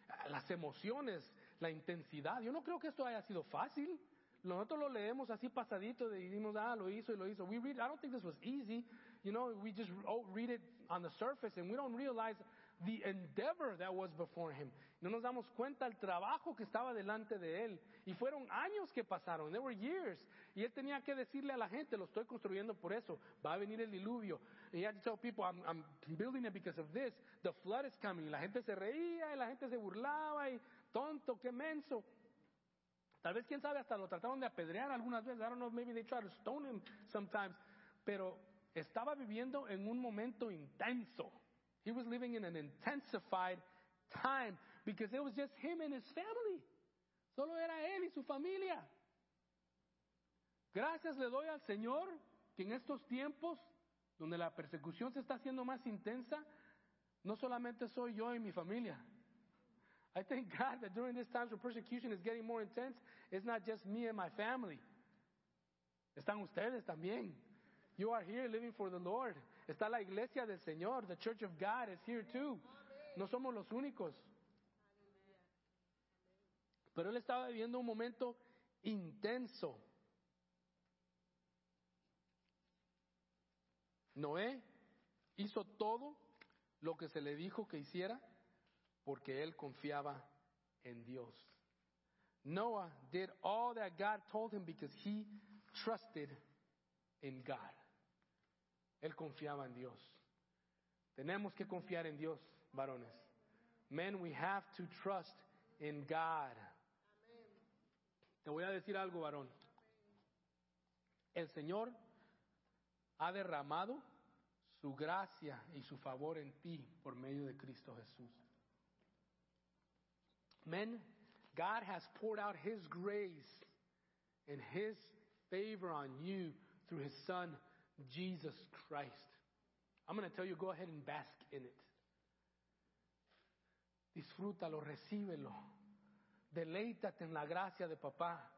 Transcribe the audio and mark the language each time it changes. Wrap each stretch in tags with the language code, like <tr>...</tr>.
<es>Las emociones, la intensidad. Yo no creo que esto haya sido fácil. Nosotros lo leemos así pasadito y decimos, ah, lo hizo y lo hizo.</es> <en>I don't think this was easy. You know, we just read it on the surface and we don't realize the endeavor that was before him.</en> <es>No nos damos cuenta el trabajo que estaba delante de él. Y fueron años que pasaron.</es> <en>There were years.</en> <es>Y él tenía que decirle a la gente, lo estoy construyendo por eso. Va a venir el diluvio.</es> <en>And he had to tell people, I'm building it because of this. The flood is coming.</en> <es>La gente se reía y la gente se burlaba. Y tonto, qué menso. Tal vez, quién sabe, hasta lo trataron de apedrear algunas veces.</es> <en>I don't know, maybe they tried to stone him sometimes.</en> <es>Pero estaba viviendo en un momento intenso.</es> <en>He was living in an intensified time because it was just him and his family.</en> <es>Solo era él y su familia. Gracias le doy al Señor que en estos tiempos donde la persecución se está haciendo más intensa, no solamente soy yo y mi familia.</es> <en>I thank God that during this time when persecution is getting more intense, it's not just me and my family.</en> <es>Están ustedes también.</es> <en>You are here living for the Lord.</en> <es>Está la iglesia del Señor.</es> <en>The church of God is here too.</en> <es>No somos los únicos. Pero él estaba viviendo un momento intenso. Noé hizo todo lo que se le dijo que hiciera porque él confiaba en Dios.</es> <en>Noah did all that God told him because he trusted in God.</en> <es>Él confiaba en Dios. Tenemos que confiar en Dios, varones.</es> <en>Men, we have to trust in God.</en> <es>Te voy a decir algo, varón. El Señor ha derramado su gracia y su favor en ti por medio de Cristo Jesús.</es> <en>Men, God has poured out His grace and His favor on you through His Son, Jesus Christ. I'm going to tell you, go ahead and bask in it.</en> <es>Disfrútalo, recíbelo. Deleítate en la gracia de papá.</es>